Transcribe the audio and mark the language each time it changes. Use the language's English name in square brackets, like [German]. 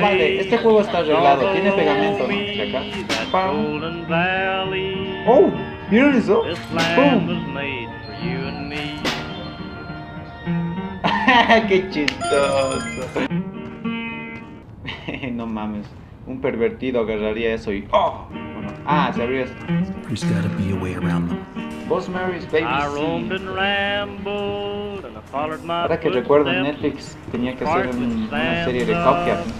[Spanish] Vale, este juego está arreglado, tiene pegamento, ¿no? Acá. Pam. Golden Valley. Oh, miren eso. [English] This land was made for you and me. [Spanish] Qué chistoso. No mames, un pervertido agarraría eso y oh. [English] Ah, [Spanish] se abrió esto. [English] There's gotta be a way around them. Boss Mary's baby. I roamed and rambled and I followed my. [Spanish] Ahora que recuerdo, Netflix tenía que hacer una serie de copia.